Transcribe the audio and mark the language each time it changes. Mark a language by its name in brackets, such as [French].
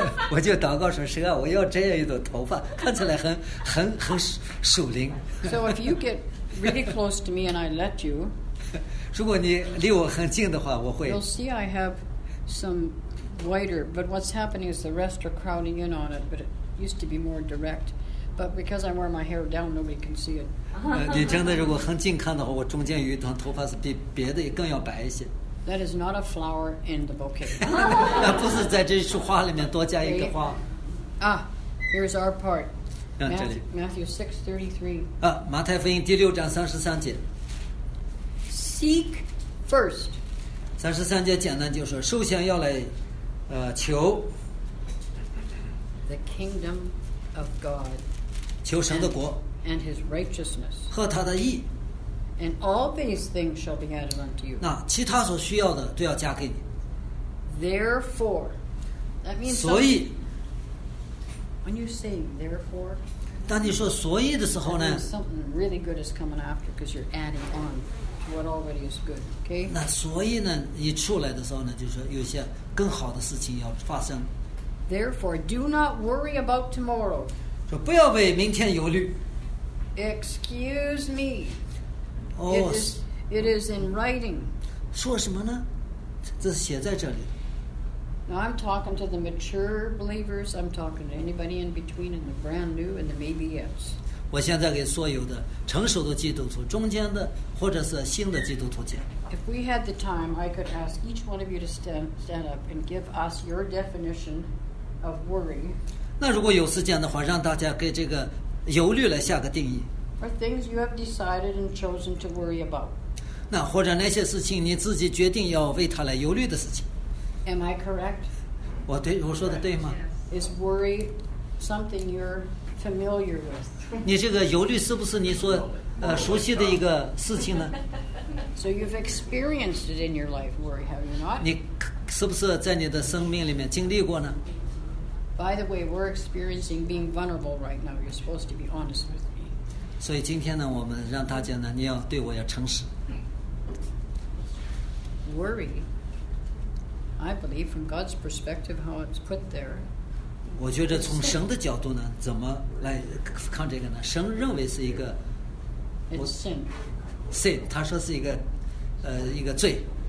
[Chinese] 我就祷告说，神啊，我要这样一朵头发，看起来很属灵。 [English] So if you get really close to me and I let you, [Chinese] 如果你离我很近的话，我会。 [English] You'll see I have. Some whiter, but what's happening is the rest are crowding in on it. But it used to be more direct. But because I wear my hair down, nobody can see it. [Chinese] 你真的如果很近看的话，我中间有一团头发是比别的更要白一些。 [English] That is not a flower in the bouquet. [Chinese] 那不是在这束花里面多加一个花。 [English] Ah, here's our part. [Chinese] 这里。Matthew 6:33. 马太福音第六章三十三节。 [English] Seek first. [Chinese] 三十三节简单就是首先要来求 [English] the kingdom of God [Chinese] 求神的国 [English] and his righteousness [Chinese] 和他的义 [English] and all these things shall be added unto you [Chinese] 那其他所需要的都要加给你 [English] therefore that means [Chinese] 所以 [English] when you say therefore [Chinese] 当你说所以的时候呢 [English] something really good is coming after because you're adding onWhat already is good, okay? [Chinese] 那所以呢，一出来的时候呢，就是有些更好的事情要发生。 [English] Therefore, do not worry about tomorrow. [Chinese] 说不要为明天忧虑。 [English] Excuse me. Oh, it is in writing. [Chinese] 说什么呢？这是写在这里。 [English] Now I'm talking to the mature believers. I'm talking to anybody in between, and the brand new, and the maybe yes. [Chinese] 我现在给所有的成熟的基督徒中间的或者是新的基督徒讲 [English] If we had the time, I could ask each one of you to stand up and give us your definition of worry. [Chinese] 那如果有时间的话让大家给这个忧虑来下个定义 [English] Are things you have decided and chosen to worry about? [Chinese] 那或者那些事情你自己决定要为他来忧虑的事情 [English] Am I correct? [Chinese] 我说的对吗 [English] Is worry something you're familiar with? [Chinese] 你这个忧虑是不是你所熟悉的一个事情呢 [English] ？So you've experienced it in your life, worry, have you not? [Chinese] 你是不是在你的生命里面经历过呢 [English] ？By the way, we're experiencing being vulnerable right now. You're supposed to be honest with me. [Chinese] 所以今天呢，我们让大家呢，你要对我要诚实。 [English] Worry, I believe from God's perspective, how it's put there. [Chinese] 我觉得从神的角度呢，怎么来看这个呢？神认为是一个 [English] ，it's sin， [Chinese] sin， 他说是一个，一个罪。